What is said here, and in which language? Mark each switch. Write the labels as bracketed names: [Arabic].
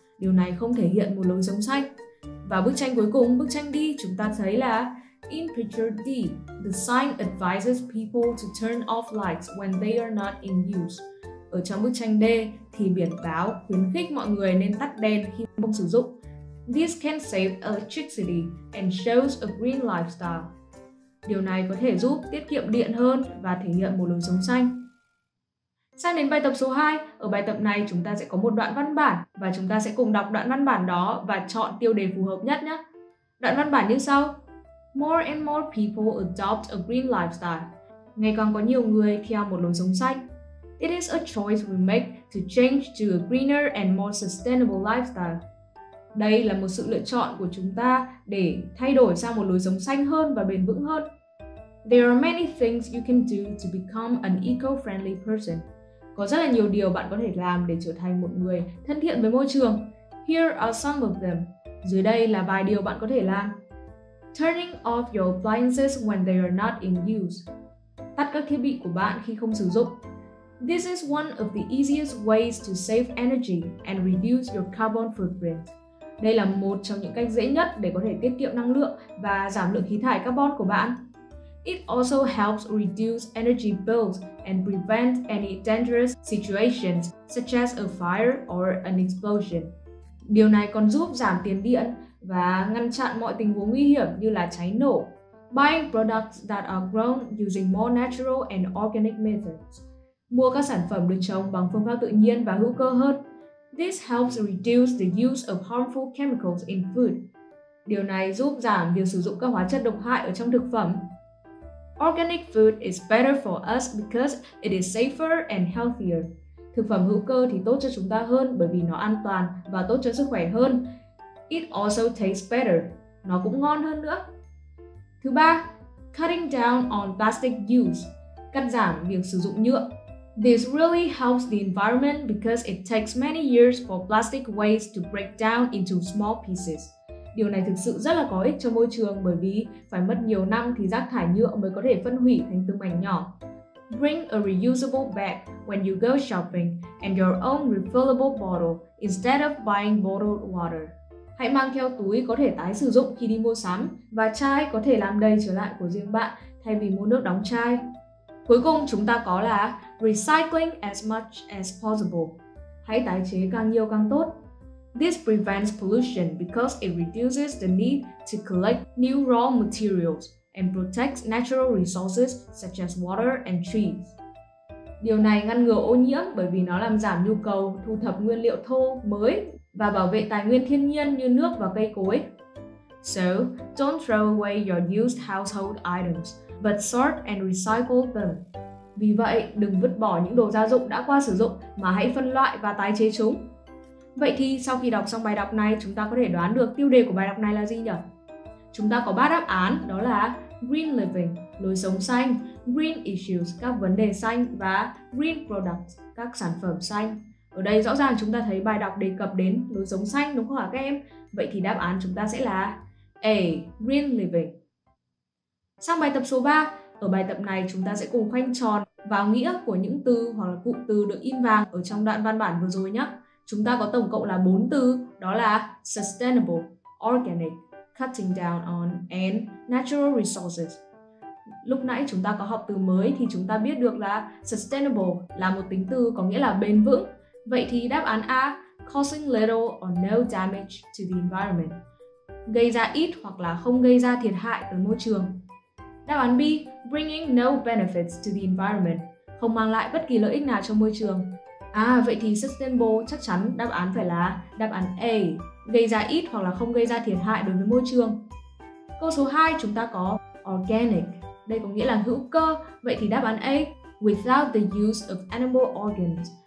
[Vietnamese] Điều này không thể hiện một lối sống xanh. Và bức tranh cuối cùng, bức tranh D, chúng ta thấy là [English] in picture D, the sign advises people to turn off lights when they are not in use. [Vietnamese] Ở trong bức tranh D thì biển báo khuyến khích mọi người nên tắt đèn khi không sử dụng. [English] This can save electricity and shows a green lifestyle. [Vietnamese] Điều này có thể giúp tiết kiệm điện hơn và thể hiện một lối sống xanh. Sang đến bài tập số 2, ở bài tập này chúng ta sẽ có một đoạn văn bản và chúng ta sẽ cùng đọc đoạn văn bản đó và chọn tiêu đề phù hợp nhất nhé. Đoạn văn bản như sau. [English] More and more people adopt a green lifestyle. [Vietnamese] Ngày càng có nhiều người theo một lối sống xanh. [English] It is a choice we make to change to a greener and more sustainable lifestyle. [Vietnamese] Đây là một sự lựa chọn của chúng ta để thay đổi sang một lối sống xanh hơn và bền vững hơn. [English] There are many things you can do to become an eco-friendly person. [Vietnamese] Có rất là nhiều điều bạn có thể làm để trở thành một người thân thiện với môi trường. [English] Here are some of them. [Vietnamese] Dưới đây là vài điều bạn có thể làm. [English] Turning off your appliances when they are not in use. [Vietnamese] Tắt các thiết bị của bạn khi không sử dụng. [English] This is one of the easiest ways to save energy and reduce your carbon footprint. [Vietnamese] Đây là một trong những cách dễ nhất để có thể tiết kiệm năng lượng và giảm lượng khí thải carbon của bạn. [English] It also helps reduce energy bills and prevent any dangerous situations such as a fire or an explosion. [Vietnamese] Điều này còn giúp giảm tiền điện và ngăn chặn mọi tình huống nguy hiểm như là cháy nổ. [English] Buying products that are grown using more natural and organic methods. [Vietnamese] Mua các sản phẩm được trồng bằng phương pháp tự nhiên và hữu cơ hơn. [English] This helps reduce the use of harmful chemicals in food. [Vietnamese] Điều này giúp giảm việc sử dụng các hóa chất độc hại ở trong thực phẩm. [English] Organic food is better for us because it is safer and healthier. [Vietnamese] Thực phẩm hữu cơ thì tốt cho chúng ta hơn bởi vì nó an toàn và tốt cho sức khỏe hơn. [English] It also tastes better. [Vietnamese] Nó cũng ngon hơn nữa. Thứ ba, [English] cutting down on plastic use. [Vietnamese] Cắt giảm việc sử dụng nhựa. [English] This really helps the environment because it takes many years for plastic waste to break down into small pieces. [Vietnamese] Điều này thực sự rất là có ích cho môi trường bởi vì phải mất nhiều năm thì rác thải nhựa mới có thể phân hủy thành từng mảnh nhỏ. [English] Bring a reusable bag when you go shopping and your own refillable bottle instead of buying bottled water. [Vietnamese] Hãy mang theo túi có thể tái sử dụng khi đi mua sắm và chai có thể làm đầy trở lại của riêng bạn thay vì mua nước đóng chai. Cuối cùng chúng ta có là [English] recycling as much as possible. [Vietnamese] Hãy tái chế càng nhiều càng tốt. [English] This prevents pollution because it reduces the need to collect new raw materials and protects natural resources such as water and trees. [Vietnamese] Điều này ngăn ngừa ô nhiễm bởi vì nó làm giảm nhu cầu thu thập nguyên liệu thô mới và bảo vệ tài nguyên thiên nhiên như nước và cây cối. [English] So, don't throw away your used household items, but sort and recycle them. [Vietnamese] Vì vậy, đừng vứt bỏ những đồ gia dụng đã qua sử dụng mà hãy phân loại và tái chế chúng. Vậy thì sau khi đọc xong bài đọc này, chúng ta có thể đoán được tiêu đề của bài đọc này là gì nhỉ? Chúng ta có 3 đáp án, đó là Green Living, lối sống xanh, Green Issues, các vấn đề xanh và Green Products, các sản phẩm xanh. Ở đây rõ ràng chúng ta thấy bài đọc đề cập đến lối sống xanh đúng không hả các em? Vậy thì đáp án chúng ta sẽ là A. Green Living. Sang bài tập số 3, ở bài tập này chúng ta sẽ cùng khoanh tròn vào nghĩa của những từ hoặc là cụm từ được in vàng ở trong đoạn văn bản vừa rồi nhé. Chúng ta có tổng cộng là 4 từ, đó là Sustainable, Organic, Cutting Down On, and Natural Resources. Lúc nãy chúng ta có học từ mới thì chúng ta biết được là Sustainable là một tính từ có nghĩa là bền vững. Vậy thì đáp án A, [English] causing little or no damage to the environment. [Vietnamese] Gây ra ít hoặc là không gây ra thiệt hại tới môi trường. Đáp án B, [English] bringing no benefits to the environment. [Vietnamese] Không mang lại bất kỳ lợi ích nào cho môi trường. À, vậy thì sustainable chắc chắn đáp án phải là đáp án A, gây ra ít hoặc là không gây ra thiệt hại đối với môi trường. Câu số 2 chúng ta có organic. Đây có nghĩa là hữu cơ, vậy thì đáp án A, [English] without the use of animal organs.